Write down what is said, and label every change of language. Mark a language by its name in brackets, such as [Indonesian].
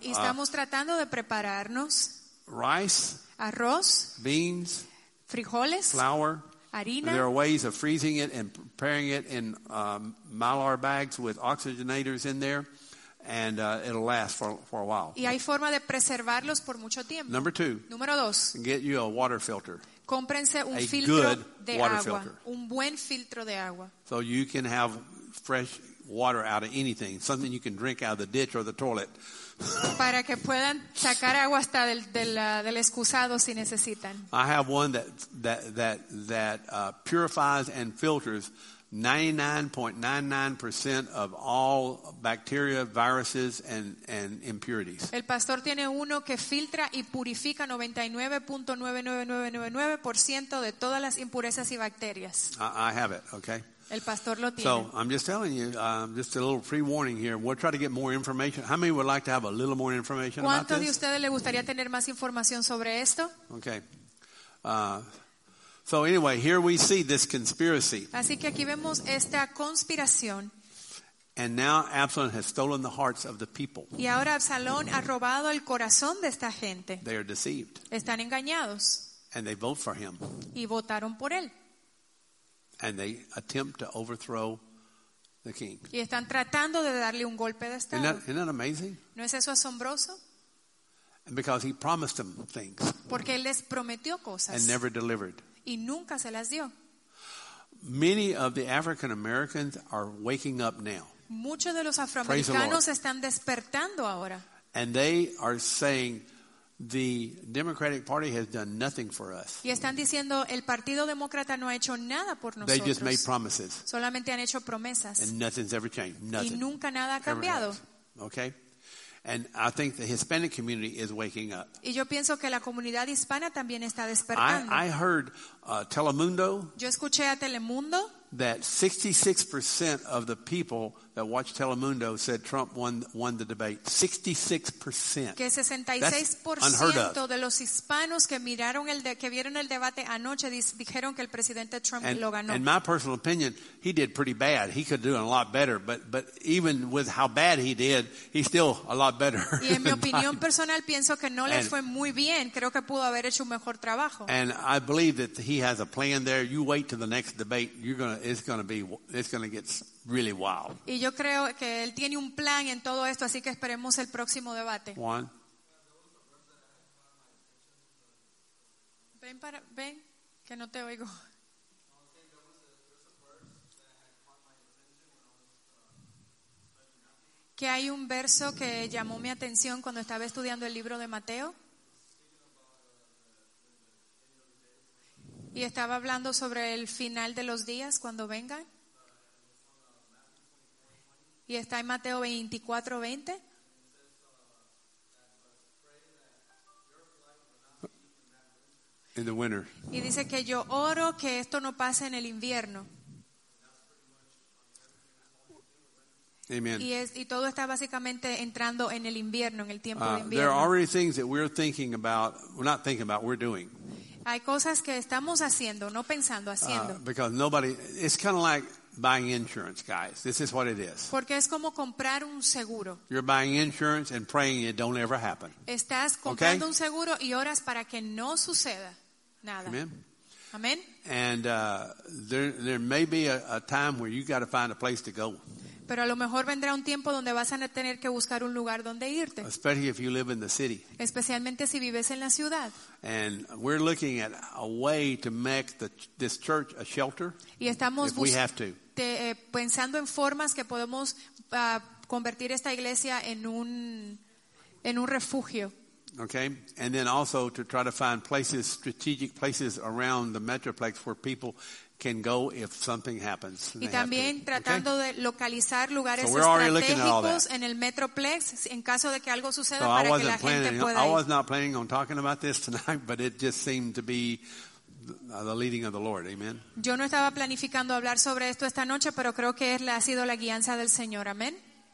[Spanish] Y estamos tratando de prepararnos. [English] Rice. [Spanish] Arroz. [English] Beans. [Spanish] Frijoles. [English] Flour. [Spanish] Harina. [English] There are ways of freezing it and preparing it in Mylar bags with oxygenators in there, and it'll last for a while. [Spanish] Y hay forma de preservarlos por mucho tiempo. [English] Number two. [Spanish] Número dos. [English] Get you a water filter. [Spanish] Cómprense un [English] a [Spanish] filtro [English] good [Spanish] de [English] water [Spanish] agua. [English] Filter. [Spanish] Un buen filtro de agua. [English] So you can have fresh water out of anything, something you can drink out of the ditch or the toilet. [Spanish] Para que puedan sacar agua hasta del excusado si necesitan. [English] I have one that purifies and filters 99.99% of all bacteria, viruses, and impurities. [Spanish] El pastor tiene uno que filtra y purifica 99.99999% de todas las impurezas y bacterias. [English] I have it, okay. [Spanish] El pastor lo tiene. [English] So I'm just telling you, just a little pre-warning here. We'll try to get more information. How many would like to have a little more information about this? [Spanish] ¿Cuántos de ustedes le gustaría tener más información sobre esto? [English] Okay. So anyway, here we see this conspiracy. [Spanish] Así que aquí vemos esta conspiración. [English] And now Absalom has stolen the hearts of the people. [Spanish] Y ahora Absalón ha robado el corazón de esta gente. [English] They are deceived. [Spanish] Están engañados. [English] And they vote for him. [Spanish] Y votaron por él. [English] And they attempt to overthrow the king. [Spanish] Y están tratando de darle un golpe de estado. [English] Isn't that amazing? [Spanish] ¿No es eso asombroso? [English] And because he promised them things. [Spanish] Porque él les prometió cosas. [English] And never delivered. [Spanish] Y nunca se las dio. [English] Many of the African Americans are waking up now. [Spanish] Muchos de los afroamericanos están despertando ahora. [English] And they are saying the Democratic Party has done nothing for us. [Spanish] Y están diciendo el Partido Demócrata no ha hecho nada por nosotros. [English] They just made promises. [Spanish] Solamente han hecho promesas. [English] And nothing's ever changed. Nothing. [Spanish] Y nunca nada ha cambiado. [English] Okay. And I think the Hispanic community is waking up. [Spanish] Y yo pienso que la comunidad hispana también está despertando. [English] I heard Telemundo. [Spanish] Yo escuché a Telemundo. [English] That 66% of the people that watched Telemundo said Trump won the debate. 66%. [Spanish] Que 66% de los hispanos que miraron que vieron el debate anoche dijeron que el presidente Trump lo ganó. [English] In my personal opinion, he did pretty bad. He could do a lot better, but even with how bad he did, he's still a lot better. [Spanish] Y en mi opinión personal pienso que no le fue muy bien. Creo que pudo haber hecho un mejor trabajo. [English] And I believe that he has a plan there. You wait till the next debate. It's going to get really wild. [Spanish] Y yo creo que él tiene un plan en todo esto, así que esperemos el próximo debate. Juan. Ven, que no te oigo. Que hay un verso que llamó mi atención cuando estaba estudiando el libro de Mateo. Y estaba hablando sobre el final de los días cuando vengan. Y está en Mateo 24:20. [English] In the winter. [Spanish] Y dice que yo oro que esto no pase en el invierno. Amen. Y todo está básicamente entrando en el invierno, en el tiempo de invierno. [English] There are already things that we're thinking about, we're not thinking about, we're doing. [Spanish] Hay cosas que estamos haciendo, no pensando, haciendo. [English] Because nobody, it's kind of like buying insurance, guys. This is what it is. [Spanish] Porque es como comprar un seguro. [English] You're buying insurance and praying it don't ever happen. [Spanish] Estás comprando un seguro y oras para que no suceda nada. Amen. Amen. [English] And there may be a time where you got to find a place to go. [Spanish] Pero a lo mejor vendrá un tiempo donde vas a tener que buscar un lugar donde irte. [English] Especially if you live in the city. [Spanish] Especialmente si vives en la ciudad. [English] And we're looking at a way to make this church a shelter. [Spanish] Y estamos pensando en formas que podemos convertir esta iglesia en un refugio. [English] Okay, and then also to try to find places, strategic places around the Metroplex where people can go if something happens. [Spanish] Y también tratando de localizar lugares estratégicos en el Metroplex en caso de que algo suceda para que la gente pueda ir. [English] I was not planning on talking about this tonight, but it just seemed to be the leading of the Lord. Amen. [Spanish] Yo no estaba planificando hablar sobre esto esta noche, pero creo que ha sido la guianza del Señor. Amén.